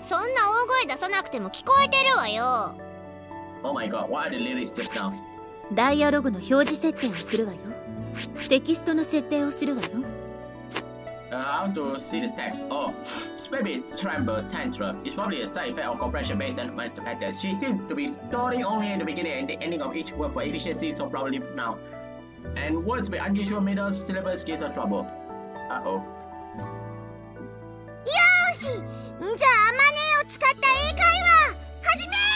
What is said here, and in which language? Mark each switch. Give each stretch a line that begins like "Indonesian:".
Japanese: そんな大声出さなくても聞こえてるわよ。
English: Oh my god, what are the lyrics just now?
Japanese: ダイアログの表示設定をするわよ。テキストの設定をするわよ。
English: I want to see the text. Oh, maybe tremble, tantrum. It's probably a side effect of compression based on mental patterns. She seems to be stalling only in the beginning and the ending of each word for efficiency, so probably now. And words with unusual middle syllables gives her trouble. Uh-oh. Yoshi!
Japanese: じゃあ、アマネを使った英会話、はじめ！